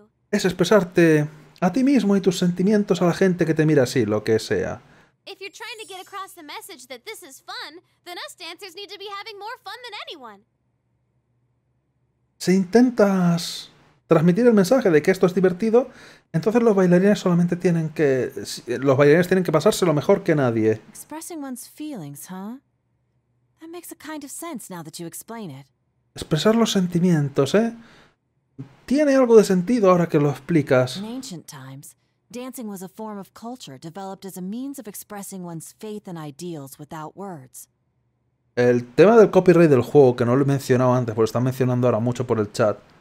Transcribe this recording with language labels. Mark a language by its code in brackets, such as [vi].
[es] Es expresarte a ti mismo y tus sentimientos a la gente que te mira así, lo que sea. [en] If you're trying to get across the message that this is fun, then us dancers need to be having more fun than anyone. [es] Si intentas transmitir el mensaje de que esto es divertido, entonces los bailarines solamente tienen que... Los bailarines tienen que pasárselo mejor que nadie. [en] Expressing one's feelings, huh? That makes a kind of sense now that you explain it. [es] Expresar los sentimientos, ¿eh? Tiene algo de sentido ahora que lo explicas. [en] In ancient times, dancing was a form of culture developed as a means of expressing one's faith and ideals without words. [es] El tema del copyright del juego, que no lo he mencionado antes, pero lo están mencionando ahora mucho por el chat.